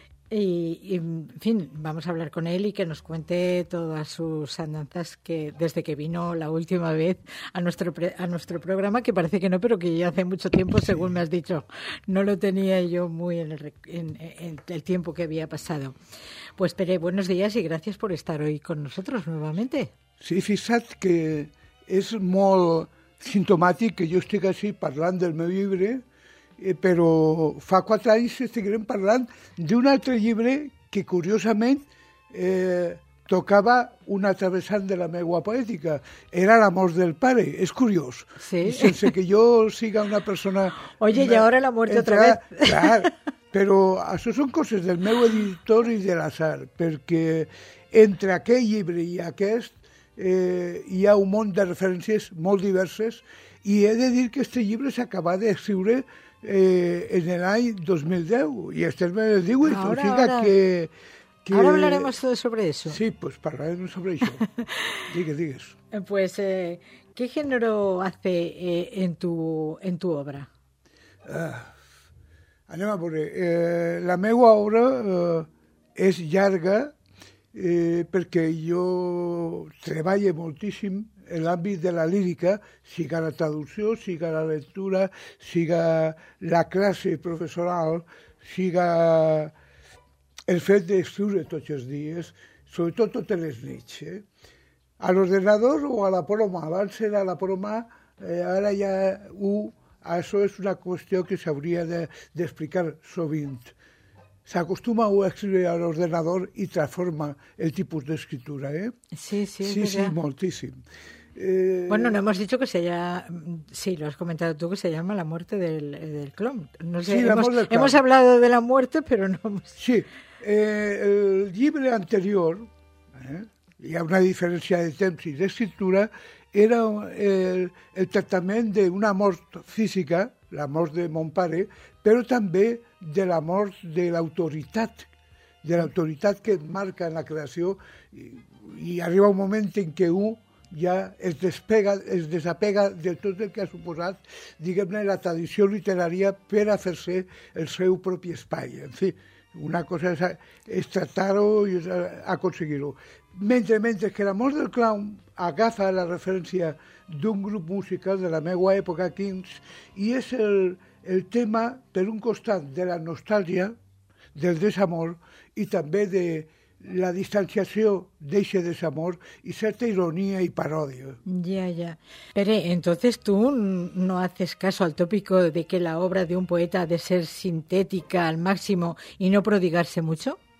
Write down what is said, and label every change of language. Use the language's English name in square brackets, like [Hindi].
[Spanish] Y, en fin, vamos a hablar con él y que nos cuente todas sus andanzas que desde que vino la última vez a nuestro programa, que parece que no, pero que ya hace mucho tiempo, según me has dicho, no lo tenía yo muy en el tiempo que había pasado. Pues, Pere, buenos días y gracias por estar hoy con nosotros nuevamente. Sí, fíjate que es muy sintomático que yo esté así hablando [Catalan] del meu llibre, però fa 4 anys estiguem parlant d'un altre llibre que, curiosament, tocava una travessant de la meua poètica. Era la mort del pare, és curiós. Sí. I sense que jo siga una persona... Oye, i ara la mort [Spanish] otra vez. [Catalan] Clar, però això són coses del meu editor i de l'azar, perquè entre aquest llibre i aquest hi ha un munt de referències molt diverses i he de dir que aquest llibre s'acaba d'escriure en el any 2010, i estem en el 18, [Spanish] ahora, [Catalan] o sigui [Spanish] ahora, que... Ara hablaremos todo sobre eso. Sí, pues parlaremos sobre eso. [Catalan] Digues. [Spanish] Pues, ¿qué género hace en tu obra? [Catalan] Anem a veure. La meva obra és llarga perquè jo treballo moltíssim en l'àmbit de la lírica, siga la traducció, siga la lectura, siga la classe professional, siga el fet d'escriure tots els dies, sobretot totes les nits. A l'ordenador o a la ploma, abans era la ploma, ara ja ho... Això és una qüestió que s'hauria d'explicar sovint. S'acostuma a escriure a l'ordenador i transforma el tipus d'escriptura. Sí, moltíssim. [Spanish] Bueno, no hemos dicho que se llama, sí, lo has comentado tú, que se llama La muerte del clon. No sé, sí, hemos hablado de la muerte, pero no hemos... [Catalan] Sí, el llibre anterior, hi ha una diferència de temps i d'escriptura, era el tractament d'una mort física, la mort de mon pare, però també de la mort de l'autoritat que marca en la creació, i arriba un moment en què ja es desapega de tot el que ha suposat, diguem-ne, la tradició literària per a fer-se el seu propi espai. En fi, [Spanish] Una cosa es tratarlo y es a conseguirlo. [Catalan] Mentre que l'amor del clown agafa la referència d'un grup musical de la meva època, Kings, i és el tema, per un costat, de la nostàlgia, del desamor, i també de la distanciació d'eixe desamor i certa ironia i paròdia. Ja. [Spanish] Pere, entonces tú no haces caso al tópico de que la obra de un poeta ha de ser sintética al máximo y no prodigarse mucho?